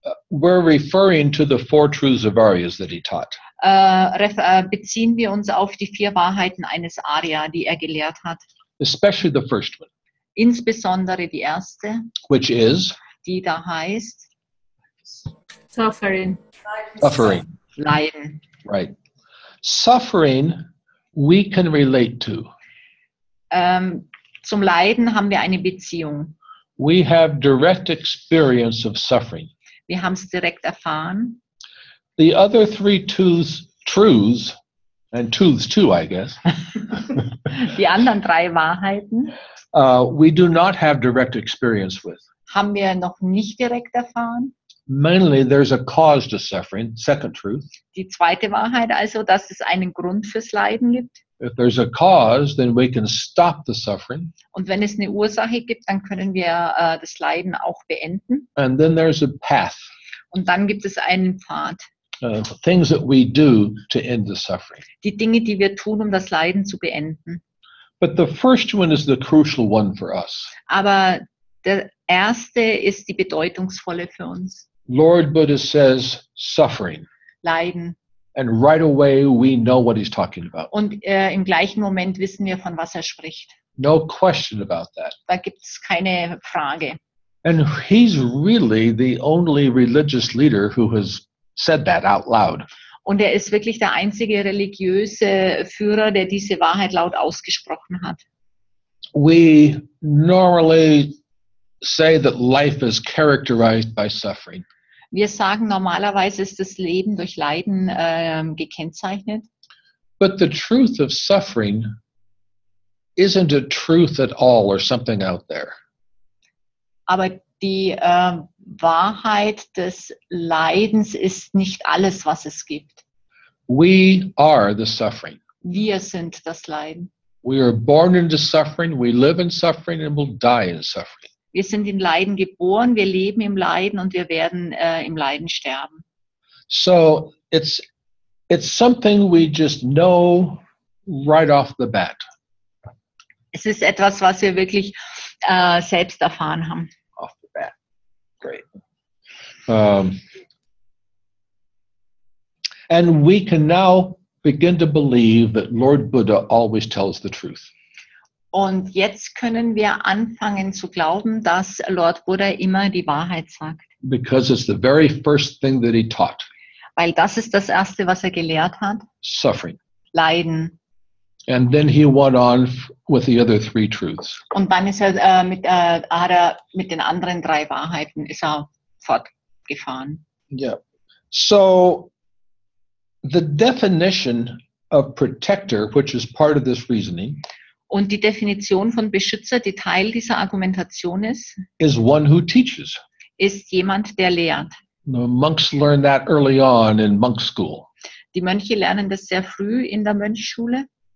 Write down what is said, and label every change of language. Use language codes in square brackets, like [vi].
[en] we're referring to the four truths of Aryas that he taught. [de] Beziehen wir uns auf die vier Wahrheiten eines Arya, die er gelehrt hat. [en] Especially the first one. [de] Insbesondere die erste. [en] Which is? [de] Die da heißt? [en] Suffering. Suffering. [de] Leiden. [en] Right. Suffering, we can relate to. [de] Zum Leiden haben wir eine Beziehung. [en] We have direct experience of suffering. [de] Wir haben es direkt erfahren. [en] The other three truths, and truths too, I guess. [de] Die anderen drei Wahrheiten. [en] We do not have direct experience with. [de] Haben wir noch nicht direkt erfahren. [en] Mainly, there's a cause to suffering, second truth. [de] Die zweite Wahrheit also, dass es einen Grund fürs Leiden gibt. [en] If there's a cause, then we can stop the suffering. [de] Und wenn es eine Ursache gibt, dann können wir das Leiden auch beenden. [en] And then there's a path. [de] Und dann gibt es einen Pfad. [en] Things that we do to end the suffering. [de] Die Dinge, die wir tun, um das Leiden zu beenden. [en] But the first one is the crucial one for us. [de] Aber der erste ist die bedeutungsvolle für uns. [en] Lord Buddha says suffering. [de] Leiden. [en] And right away we know what he's talking about. [de] Und im gleichen Moment wissen wir, von was er spricht. [en] No question about that. [de] Da gibt's keine Frage. [en] And he's really the only religious leader who has said that out loud. [de] Und er ist wirklich der einzige religiöse Führer, der diese Wahrheit laut ausgesprochen hat. [en] We normally say that life is characterized by suffering. [de] Wir sagen, normalerweise ist das Leben durch Leiden gekennzeichnet. [en] But the truth of suffering isn't a truth at all or something out there. [de] Aber die Wahrheit des Leidens ist nicht alles, was es gibt. [en] We are the suffering. [de] Wir sind das Leiden. [en] We are born into suffering, we live in suffering and will die in suffering. [de] Wir sind in Leiden geboren, wir leben im Leiden und wir werden im Leiden sterben. [en] So it's something we just know right off the bat. [de] Es ist etwas, was wir wirklich selbst erfahren haben. [en] Off the bat. Great. And we can now begin to believe that Lord Buddha always tells the truth. [de] Und jetzt können wir anfangen zu glauben, dass Lord Buddha immer die Wahrheit sagt. [en] Because it's the very first thing that he taught. [de] Weil das ist das Erste, was er gelehrt hat. [en] Suffering. [de] Leiden. [en] And then he went on with the other three truths. [de] Und dann ist er, hat er mit den anderen drei Wahrheiten ist er fortgefahren. [en] Yeah. So the definition of protector, which is part of this reasoning, [de] und die Definition von Beschützer, die Teil dieser Argumentation ist, [en] is one who teaches. [de] Ist jemand, der lehrt. [en] The monks learn that early on in monk school. [de] Die Mönche lernen das sehr früh in der Mönchschule.